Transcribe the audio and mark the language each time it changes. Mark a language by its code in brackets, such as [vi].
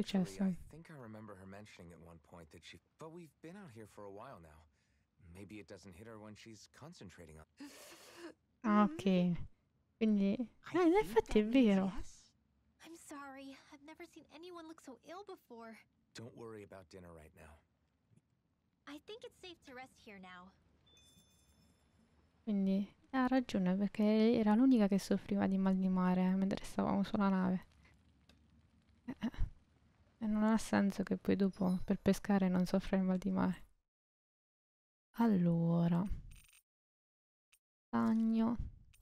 [en] I think I remember her mentioning at one point that she... But we've been out here for a while now. Maybe it doesn't hit her when she's concentrating on... Okay. [it] Quindi, no, in effetti è vero. [en] I'm sorry. I've never seen anyone look so ill before. Don't worry about dinner right now. I think it's safe to rest here now. [it] Quindi ha ragione, perché era l'unica che soffriva di mal di mare mentre stavamo sulla nave. E non ha senso che poi dopo per pescare non soffra di mal di mare. Allora, stagno.